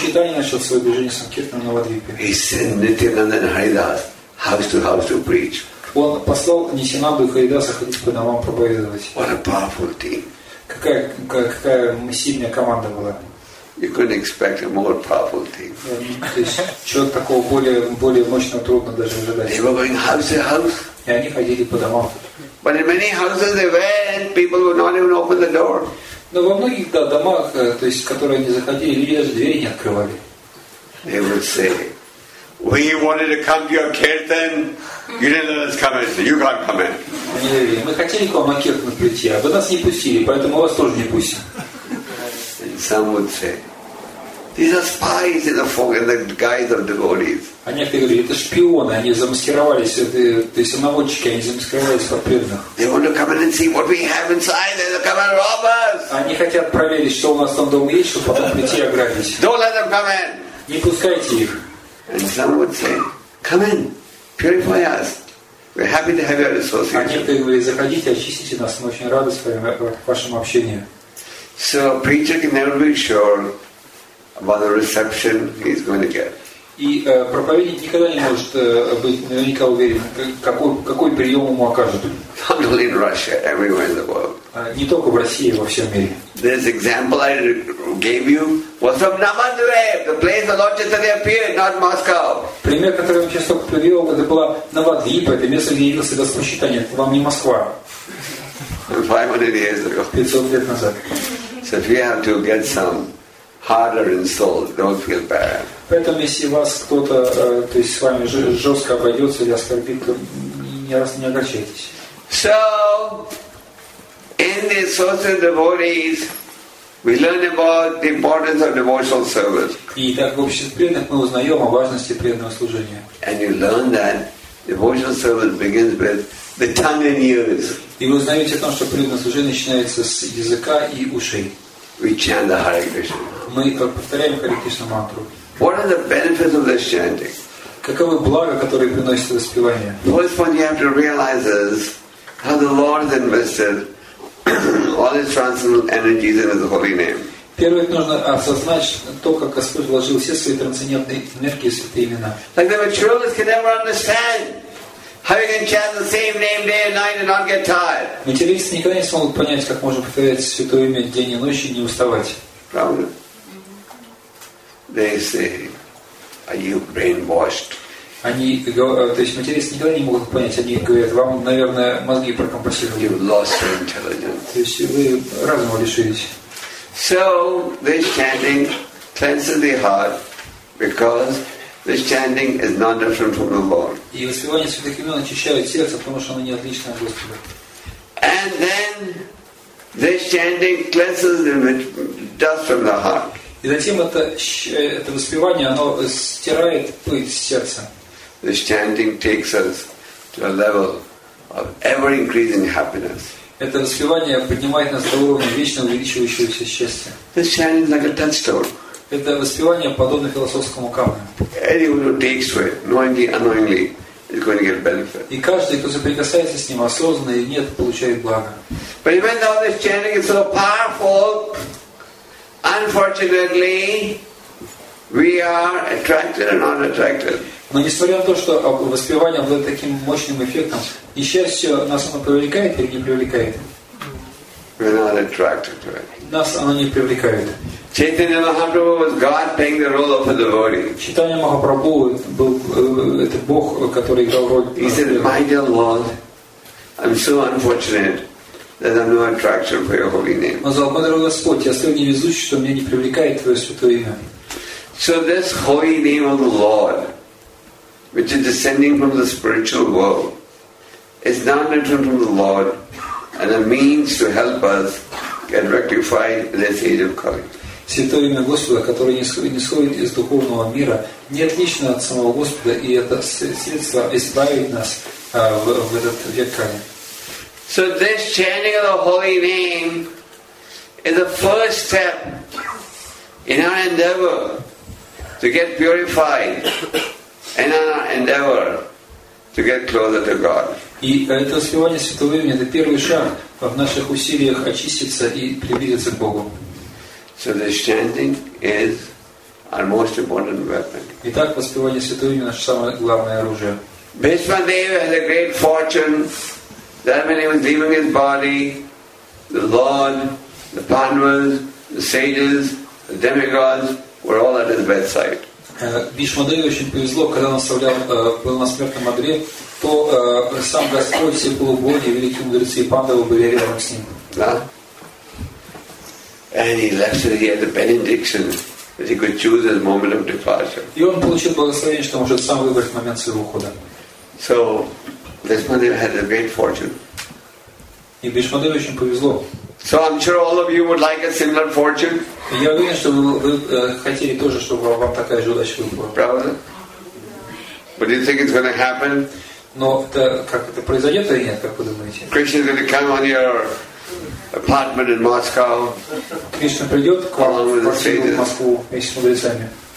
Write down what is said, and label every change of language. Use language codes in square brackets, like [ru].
[ru] Читания начал свое движение Санкиртана на Вадвипе. [en] He sent Nityananda Haridas house to preach. [ru] Он послал Нитинанду и Харидаса ходить по домам проповедовать. [en] What a powerful team. [ru] Какая сильная команда была. [en] You couldn't expect a more powerful team. [ru] Чего такого более мощного трудно даже ожидать. [en] They were going house to house. [ru] И они ходили по домам. [en] But in many houses they went, people would not even open the door. [ru] Но во многих домах, то есть, которые они заходили, люди даже двери не открывали. [en] They would say, "We wanted to come to your kirtan. You didn't let us come in. You can't come in." [ru] Мы хотели к вам на киртан прийти, а вы нас не пустили, поэтому вас тоже не пустим. [en] Some would say, "These are spies in the form, in the guise of devotees." [ru] А некоторые говорят, это шпионы. Они замаскировались. Это наводчики. Они замаскировались под преданных. [en] They want to come in and see what we have inside. They'll come and rob us. [ru] Они хотят проверить, что у нас там дома есть, чтобы потом прийти и ограбить. [en] Don't let them come in. [ru] Не пускайте их. [en] And some would say, "Come in, Purify us. We're happy to have your association. [ru] А некоторые говорили, заходите, очистите нас. Мы очень рады своим вашим общением. [en] So a preacher can never be sure about the reception he's going to get. [ru] И проповедник никогда не может быть наверняка уверен, какой прием ему окажут. [en] Not only in Russia, everywhere in the world. [ru] Не только в России, во всем мире. [en] This example I gave you was from Navadvip, the place the Lord Chaitanya appeared, not Moscow. [ru] Пример, который я сейчас только привел, это была Навадвип, это место, где явился Господь Чайтанья. Это вам не Москва. [en] 500 years ago. [ru] 500 лет назад. [en] So if you have to get some harder insult, don't feel bad. [ru] Поэтому если вас кто-то, то есть с вами жестко обойдется или оскорбит, то не огорчайтесь. [en] So in the Association of Devotees, we learn about the importance of devotional service. [ru] И так в обществе преданных мы узнаем о важности преданного служения. [en] And you learn that devotional service begins with the tongue and ears. [ru] И вы узнаете о том, что преданное служение начинается с языка и ушей. [en] We chant the Hare Krishna. [ru] Мы повторяем Харе Кришна мантру. [en] What are the benefits of this chanting? [ru] Каковы блага, которые приносит воспевание? [en] First one you have to realize is how the Lord has invested all his transcendental energies in his holy name. [ru] Первое, нужно осознать то, как Господь вложил все свои трансцендентные энергии в святые имена. [en] Like the materialists can never understand how you can chant the same name day and night and not get tired. [ru] Материалисты никогда не смогут понять, как можно повторять святое имя день и ночь и не уставать. Правда? [en] They say, "Are you brainwashed?" [ru] Они, то есть материалисты никогда не могут понять. Они говорят, вам, наверное, мозги прокомпрессированы. [en] You've lost your intelligence. [ru] То есть вы разума лишились. [en] So this chanting cleanses the heart because this chanting is not different from the Lord. [ru] И воспевание святых имен очищает сердце, потому что оно не отлично от Господа. [en] And then this chanting cleanses the dust from the heart. [ru] И затем это воспевание, оно стирает пыль с сердца. [en] The chanting takes us to a level of ever increasing happiness. [ru] Это воспевание поднимает нас до уровня вечно увеличивающегося счастья. [en] This chanting is like a touchstone. [ru] Это воспевание подобно философскому камню. [en] Anyone who takes to it, knowingly, unknowingly, is going to get benefit. [ru] И каждый, кто соприкасается с ним осознанно или нет, получает благо. [en] But even though this chanting is so powerful, unfortunately, we are attracted and not attracted. [ru] Но несмотря на то, что воспевание обладает таким мощным эффектом, несчастье нас оно привлекает или не привлекает? [en] We're not attracted to it. [ru] Нас оно не привлекает. [en] Chaitanya Mahaprabhu was God playing the role of a devotee. [ru] Chaitanya Mahaprabhu был это Бог, который играл роль. [en] He said, "My dear Lord, I'm so unfortunate that I'm no attraction for your holy name." [ru] Он сказал, мой дорогой Господь, я столь невезучий, что меня не привлекает твое святое имя. [en] So this holy name of the Lord, which is descending from the spiritual world, is not different from the Lord and a means to help us get rectified in this age of Kali. [ru] Святое имя Господа, которое нисходит из духовного мира, не отлично от самого Господа, и это средство избавит нас в этот век Кали. [en] So this chanting of the holy name is the first step in our endeavor to get purified and our endeavor to get closer to God. [ru] И это воспевание святого имени — это первый шаг в наших усилиях очиститься и приблизиться к Богу. [en] So this chanting is our most important weapon. [ru] Итак, воспевание святого имени — наше самое главное оружие. [en] Bhishma Deva had a great fortune that when he was leaving his body, the Lord, the Pandavas, the sages, the demigods were all at his bedside. [ru] Бишма Деве очень повезло, когда он оставлял, был на смертном одре, то сам Господь, все полубоги, великие мудрецы и Пандавы были рядом с ним. Да. [en] And he left it, he had the benediction that he could choose his moment of departure. [ru] И он получил благословение, что может сам выбрать момент своего ухода. [en] So Бишма Деве had a great fortune. [ru] И Бишма Деве очень повезло. [en] So I'm sure all of you would like a similar fortune. [ru] Я уверен, что вы хотели тоже, чтобы вам такая же удача выпала. Правда? [en] But do you think it's going to happen? [ru] Но это как это произойдет или нет, как вы думаете? [en] Krishna's going to come on your apartment in Moscow. [ru] Krishna придет к вам в квартиру в Москву вместе с мудрецами.